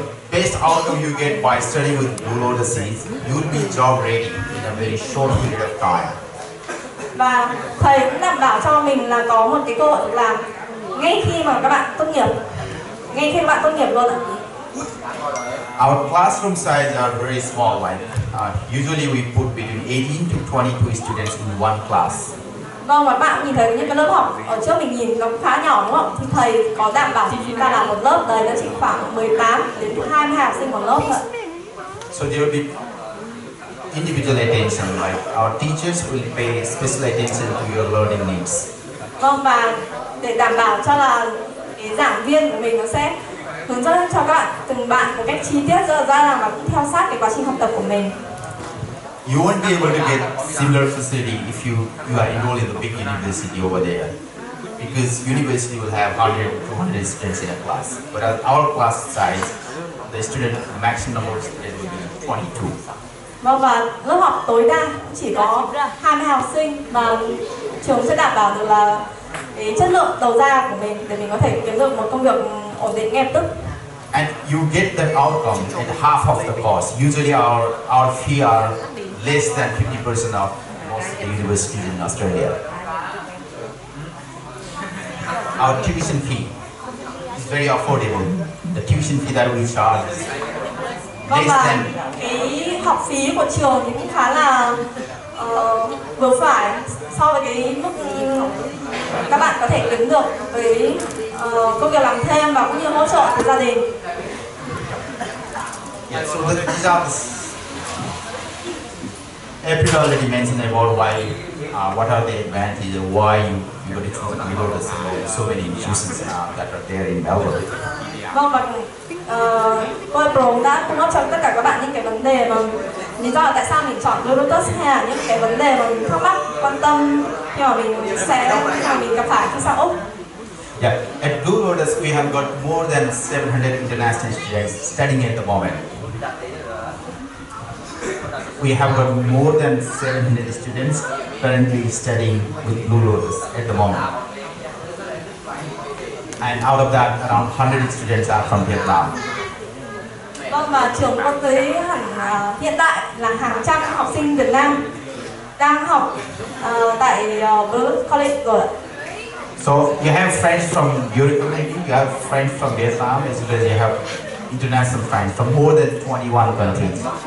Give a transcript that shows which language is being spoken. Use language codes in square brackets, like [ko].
[en] Based out of you get by studying with Blue Lotus, you will be job ready in a very short period of time. [vi] Và thầy cũng đảm bảo cho mình là có một cái cơ hội làm ngay khi mà các bạn tốt nghiệp. Ngay khi bạn tốt nghiệp luôn ạ. [en] Our classroom size are very small, like usually we put between 18 to 22 students in one class. [vi] Vâng, và bạn nhìn thấy những cái lớp học ở trước mình nhìn nó khá nhỏ đúng không? Thì thầy có đảm bảo chúng ta là một lớp đấy nó chỉ khoảng 18 đến 22 học sinh một lớp thôi. [en] So there will be individual attention, like our teachers will pay special attention to your learning needs. [vi] Vâng, và để đảm bảo cho là cái giảng viên của mình nó sẽ hướng dẫn cho các bạn từng bạn một cách chi tiết rõ ràng và cũng theo sát cái quá trình học tập của mình. [en] You won't be able to get similar facility if you are enrolled in the big university over there. Because university will have 100 to 200 students in a class. But at our class size, the student maximum number of students will be 22. [vi] Vâng, và lớp học tối đa chỉ có 20 học sinh và trường sẽ đảm bảo được là cái chất lượng đầu ra của mình để mình có thể kiếm được một công việc ổn định ngay tức. [en] And you get the outcome at half of the cost. Usually our fee are less than 50% of most universities in Australia. Our tuition fee is very affordable. The tuition fee that we charge is less than. [vi] Cái học phí của trường thì cũng khá là vừa phải so với cái mức các bạn có thể kiếm được với công việc làm thêm và cũng như hỗ trợ từ gia đình. [en] Yeah, so these are the April already mentioned about why, what are the advantages, why you got to choose Melbourne. There's so many choices that are there in Melbourne. [vi] Vâng, và cô April đã cung cấp cho tất cả các bạn những cái vấn đề mà lý do là tại sao mình chọn Lotus hay là những cái vấn đề mà mình thắc mắc, quan tâm khi mà mình sẽ, khi mà mình gặp phải khi sang Úc. [en] Yeah, at Blue Lotus we have got more than 700 international students studying at the moment. We have got more than 700 students currently studying with Blue Lotus at the moment. And out of that, around 100 students are from Vietnam. [vi] Vâng, mà trường con thấy hiện tại là hàng trăm học sinh Việt Nam đang học tại Blue College rồi. [en] So you have friends from Europe, maybe you have friends from Vietnam, as well as you have international friends from more than 21 countries.